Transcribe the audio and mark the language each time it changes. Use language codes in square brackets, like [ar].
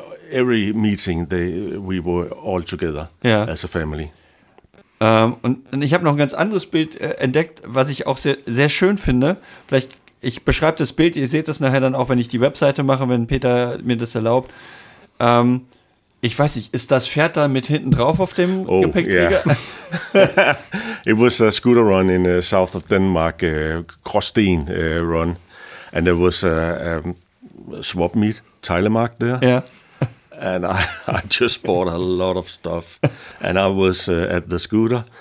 [en] Every meeting we were all together as a family. [de] Und ich habe noch ein ganz anderes Bild entdeckt, was ich auch sehr, sehr schön finde. Vielleicht. Ich beschreibe das Bild, ihr seht das nachher dann auch, wenn ich die Webseite mache, wenn Peter mir das erlaubt. Ich weiß nicht, ist das Pferd da mit hinten drauf auf dem Gepäckträger? [en] Yeah. It was a scooter run in the south of Denmark, Krosten run. And there was a swap meet, Teilemark there. Yeah. And I just bought a lot of stuff. And I was at the scooter.